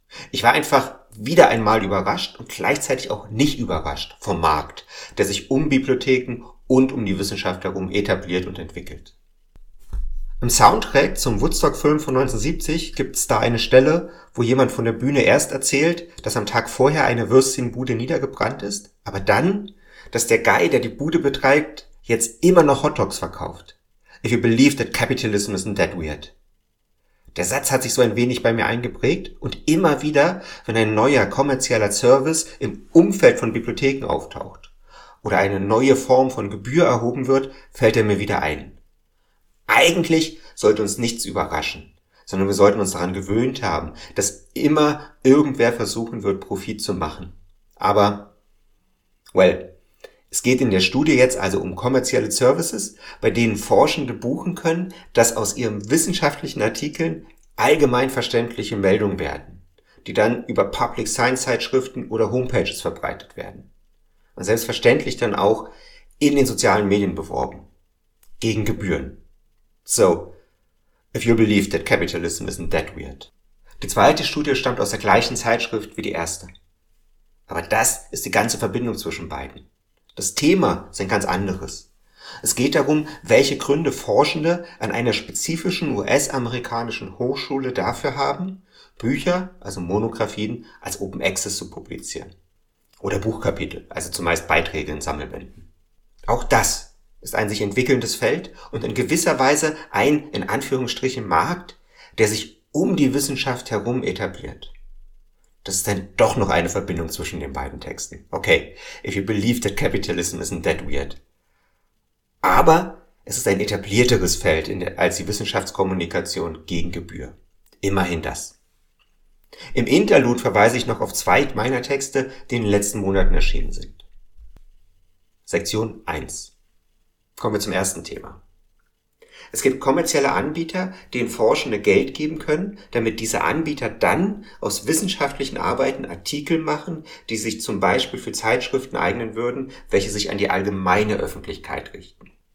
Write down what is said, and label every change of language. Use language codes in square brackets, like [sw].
[de] Ich war einfach wieder einmal überrascht und gleichzeitig auch nicht überrascht vom Markt, der sich um Bibliotheken und um die Wissenschaft herum etabliert und entwickelt. Im Soundtrack zum Woodstock-Film von 1970 gibt es da eine Stelle, wo jemand von der Bühne erst erzählt, dass am Tag vorher eine Würstchenbude niedergebrannt ist, aber dann, dass der Guy, der die Bude betreibt, jetzt immer noch Hotdogs verkauft. [en] If you believe that capitalism isn't that weird. [de] Der Satz hat sich so ein wenig bei mir eingeprägt und immer wieder, wenn ein neuer kommerzieller Service im Umfeld von Bibliotheken auftaucht oder eine neue Form von Gebühr erhoben wird, fällt er mir wieder ein. Eigentlich sollte uns nichts überraschen, sondern wir sollten uns daran gewöhnt haben, dass immer irgendwer versuchen wird, Profit zu machen. Aber, well, es geht in der Studie jetzt also um kommerzielle Services, bei denen Forschende buchen können, dass aus ihren wissenschaftlichen Artikeln allgemein verständliche Meldungen werden, die dann über Public Science Zeitschriften oder Homepages verbreitet werden. Und selbstverständlich dann auch in den sozialen Medien beworben. Gegen Gebühren. [en] So, if you believe that capitalism isn't that weird. [de] Die zweite Studie stammt aus der gleichen Zeitschrift wie die erste. Aber das ist die ganze Verbindung zwischen beiden. Das Thema ist ein ganz anderes. Es geht darum, welche Gründe Forschende an einer spezifischen US-amerikanischen Hochschule dafür haben, Bücher, also Monographien, als Open Access zu publizieren. Oder Buchkapitel, also zumeist Beiträge in Sammelbänden. Auch das ist ein sich entwickelndes Feld und in gewisser Weise ein, in Anführungsstrichen, Markt, der sich um die Wissenschaft herum etabliert. Das ist dann doch noch eine Verbindung zwischen den beiden Texten. [en] Okay, if you believe that capitalism isn't that weird. [de] Aber es ist ein etablierteres Feld als die Wissenschaftskommunikation gegen Gebühr. Immerhin das. Im Interlude verweise ich noch auf zwei meiner Texte, die in den letzten Monaten erschienen sind. Sektion 1. Kommen wir zum ersten Thema. Es gibt kommerzielle Anbieter, denen Forschende Geld geben können, damit diese Anbieter dann aus wissenschaftlichen Arbeiten Artikel machen, die sich zum Beispiel für Zeitschriften eignen würden, welche sich an die allgemeine Öffentlichkeit richten.